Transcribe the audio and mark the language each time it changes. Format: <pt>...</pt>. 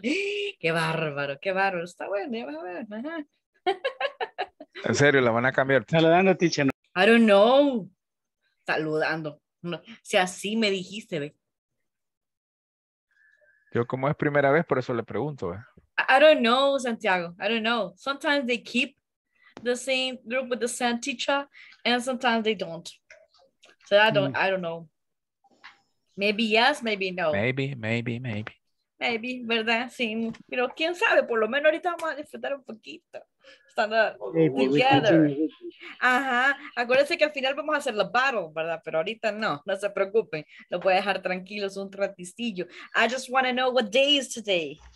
<es>Qué bárbaro, qué bárbaro. Está bueno, ya vas a ver. En serio, la van a cambiar. Saludando, teacher.</es> <en>I don't know.</en> <es>Saludando. No, si así me dijiste, ve. Yo, como es primera vez, por eso le pregunto, ve.</es> <en>I don't know, Santiago. I don't know. Sometimes they keep the same group with the same teacher, and sometimes they don't. So I don't know. Maybe yes, maybe no. Maybe.</en> <es>Maybe, ¿verdad? Sí. Pero quién sabe, por lo menos ahorita vamos a disfrutar un poquito. Estando together. Ajá. Acuérdense que al final vamos a hacer la battle, ¿verdad? Pero ahorita no, no se preocupen. Lo voy a dejar tranquilos un ratistillo.</es> <en>I just want to know what day is today.</en>